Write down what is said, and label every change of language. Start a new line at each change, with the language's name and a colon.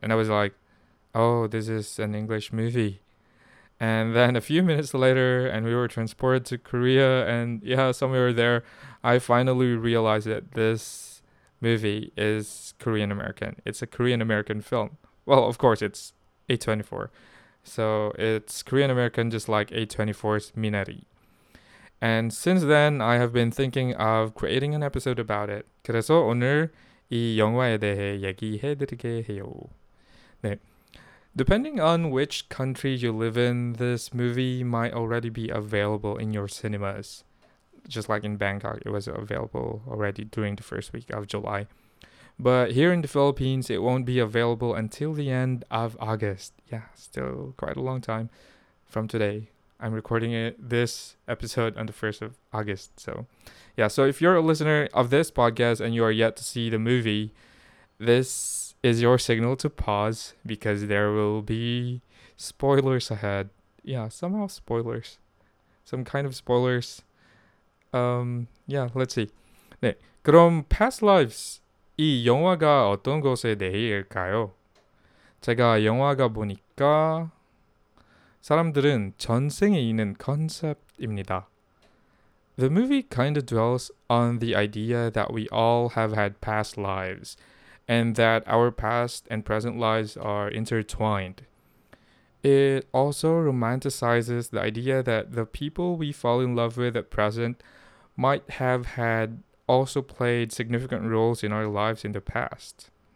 English: And I was like, oh, this is an English movie. And then a few minutes later, and we were transported to Korea, and yeah, somewhere there, I finally realized that this movie is Korean-American. It's a Korean-American film. Well, of course, it's A24. So it's Korean-American, just like A24's Minari. And since then, I have been thinking of creating an episode about it.
Korean: 그래서 오늘 이 영화에 대해 얘기해드리게 해요. 네.
English: Depending on which country you live in, this movie might already be available in your cinemas. Just like in Bangkok, it was available already during the first week of July. But here in the Philippines, it won't be available until the end of August. Yeah, still quite a long time from today. I'm recording this episode on the 1st of August. So yeah, so if you're a listener of this podcast and you are yet to see the movie, this is your signal to pause because there will be spoilers ahead. Yeah, somehow spoilers. Some kind of spoilers. Yeah, let's see.
Korean: 네, 그럼
English: Past Lives.
Korean: 이 영화가 어떤 것에 대해일까요? 제가 영화가 보니까 사람들은 전생에 있는 컨셉입니다.
English: The movie kind of dwells on the idea that we all have had past lives and that our past and present lives are intertwined. It also romanticizes the idea that the people we fall in love with at present might have had also played significant roles in our lives in the past.